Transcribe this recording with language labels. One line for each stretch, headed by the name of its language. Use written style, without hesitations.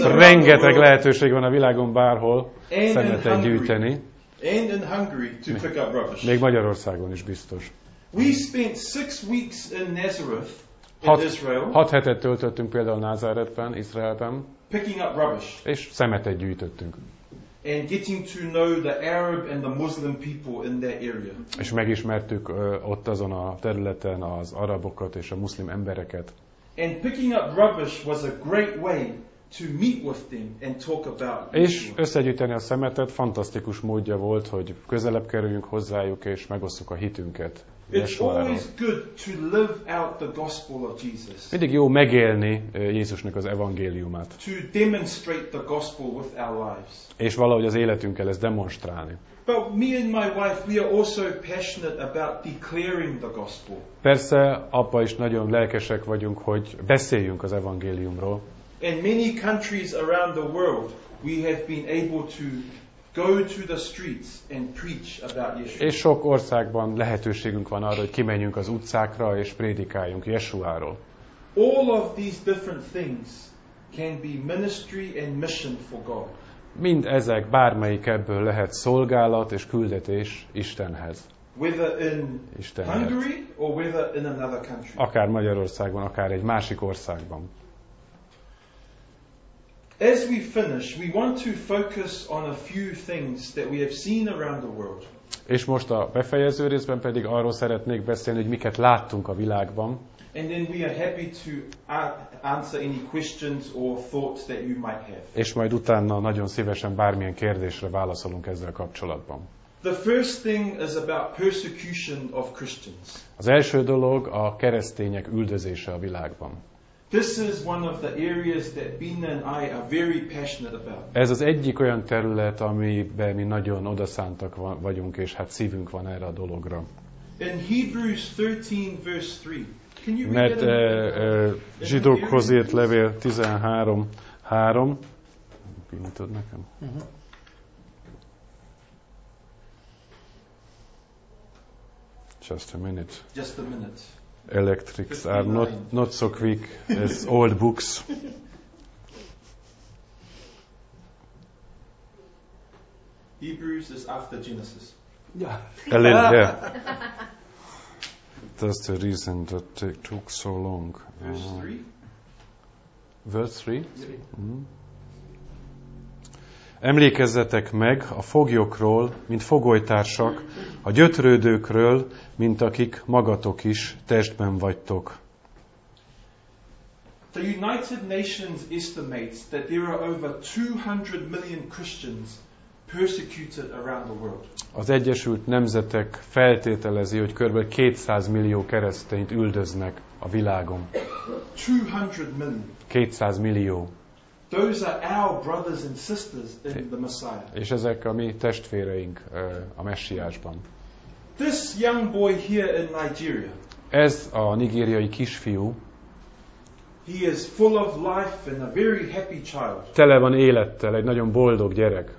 Hungarian: Rengeteg lehetőség van a világon bárhol szemetet gyűjteni.
English: And in Hungary to pick up rubbish.
Hungarian: Még Magyarországon is biztos.
English: We spent 6 weeks in Nazareth in Israel.
Hungarian: 6 hetet töltöttünk például Názáretben, Izraelben.
English: Picking up rubbish.
Hungarian: És szemetet gyűjtöttünk.
English: And getting to know the Arab and the Muslim people in that area.
Hungarian: És megismertük ott azon a területen az arabokat és a muszlim embereket.
English: And picking up rubbish was a great way to meet with them and talk about.
Hungarian: És összegyűjteni a szemetet fantasztikus módja volt, hogy közelebb kerüljünk hozzájuk és megosszuk a hitünket.
English: It's always good to live out the gospel of Jesus.
Hungarian: Mindig jó megélni Jézusnak az evangéliumát.
English: To demonstrate the gospel with our lives.
Hungarian: És valahogy az életünkkel ezt demonstrálni.
English: But me and my wife, we are also passionate about declaring the gospel.
Hungarian: Persze, apa is nagyon lelkesek vagyunk, hogy beszéljünk az evangéliumról.
English: In many countries around the world, we have been able to go to the streets and preach about Yeshua.
Hungarian: És sok országban lehetőségünk van arra, hogy kimenjünk az utcákra és prédikáljunk Yeshuáról.
English: All of these different things can be ministry and mission for God.
Hungarian: Mind ezek, bármelyik ebből lehet szolgálat és küldetés Istenhez.
English: Whether in Hungary or whether in another country.
Hungarian: Akár Magyarországon, akár egy másik országban.
English: As we finish, we want to focus on a few things that we have seen around the world.
Hungarian: És most a befejező részben pedig arról szeretnék beszélni, hogy miket láttunk a világban.
English: And then we are happy to answer any questions or thoughts that you might have.
Hungarian: És majd utána nagyon szívesen bármilyen kérdésre válaszolunk ezzel kapcsolatban.
English: The first thing is about persecution of Christians.
Hungarian: Az első dolog a keresztények üldözése a világban.
English: This is one of the areas that Bina and I are very passionate about.
Hungarian: Ez az egyik olyan terület, amiben mi nagyon odaszántak vagyunk, és hát szívünk van erre a dologra.
English: In Hebrews 13 verse 3. Can you read that?
Hungarian: Mert zsidókhoz írt levél 13:3. Bina, tud nekem? Uh-huh.
English: Just a minute. Electrics are not so quick as old books. Hebrews is after Genesis. Yeah. A little, yeah. That's the reason that it took so long. Verse 3? Verse 3?
Hungarian: Emlékezzetek meg a foglyokról, mint fogolytársak, a gyötrődőkről, mint akik magatok is testben vagytok.
English: The United Nations estimates that there are over 200 million Christians persecuted around the world.
Hungarian: Az Egyesült Nemzetek feltételezi, hogy körülbelül 200 millió keresztényt üldöznek a világon.
English: 200 million.
Hungarian: 200 millió.
English: Those are our brothers and sisters in the Messiah.
Hungarian: És ezek a mi testvéreink a Messiásban.
English: This young boy here in Nigeria.
Hungarian: Ez a nigériai kisfiú.
English: He is full of life and a very happy child.
Hungarian: Tele van élettel, egy nagyon boldog gyerek.